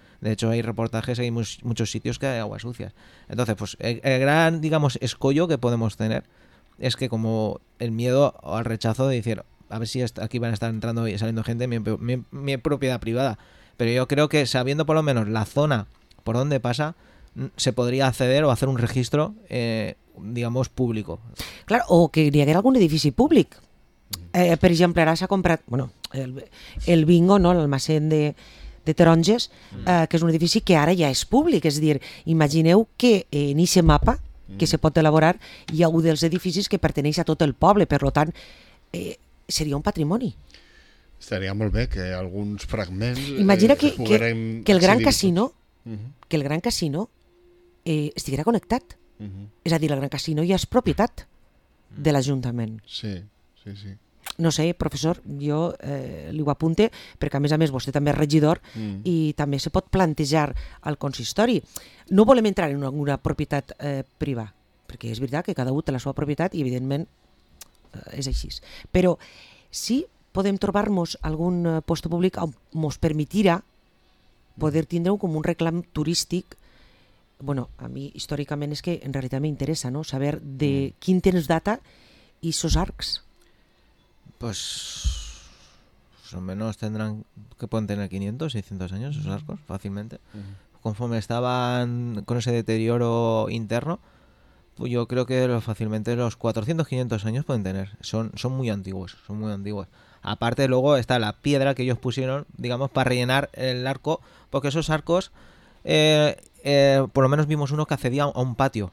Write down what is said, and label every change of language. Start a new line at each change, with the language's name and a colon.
Spanish: De hecho, hay reportajes, hay muchos sitios que hay aguas sucias. Entonces, pues el gran, digamos, escollo que podemos tener es que como el miedo o el rechazo de decir, a ver si aquí van a estar entrando y saliendo gente, mi propiedad privada. Pero yo creo que sabiendo por lo menos la zona por donde pasa, se podría acceder o hacer un registro, digamos, público.
Catalan: Claro, o que hi hagués algun edifici públic. Per exemple, ara s'ha comprat, bueno, el bingo, no, l'almacén de taronges, que és un edifici que ara ja és públic. És a dir, imagineu que en aquest mapa que se pot elaborar hi ha un dels edificis que perteneix a tot el poble. Per tant, seria un patrimoni. Estaria molt bé que alguns fragments... Imagina que el gran casino... Uh-huh. Que el gran casino estiguera connectat. Uh-huh. És a dir, el gran casino ja és propietat de l'Ajuntament. Sí, sí, sí. No sé, professor, jo li ho apunte, perquè a més vostè també és regidor i també se pot plantejar al consistori. No volem entrar en una propietat privà, perquè és veritat que cada un té la seva propietat i evidentment és així. Però sí podem trobar-nos algun post públic on mos permetira poder tindre-ho com un reclam turístic. Bueno, a mi històricament és que en realitat m'interessa, no? Saber de quin temps data i sos arcs.
Spanish: Pues al menos tendrán que
Catalan: poden tenir 500, 600 anys
Spanish: esos arcos, fàcilmente. Uh-huh. Conforme estaban con ese deterioro interno, pues yo creo que fácilmente los 400, 500 años pueden tener. Son muy antiguos, son muy antiguos. Aparte, luego está la piedra que ellos pusieron, digamos, para rellenar el arco, porque esos arcos, por lo menos vimos uno que accedía a un patio.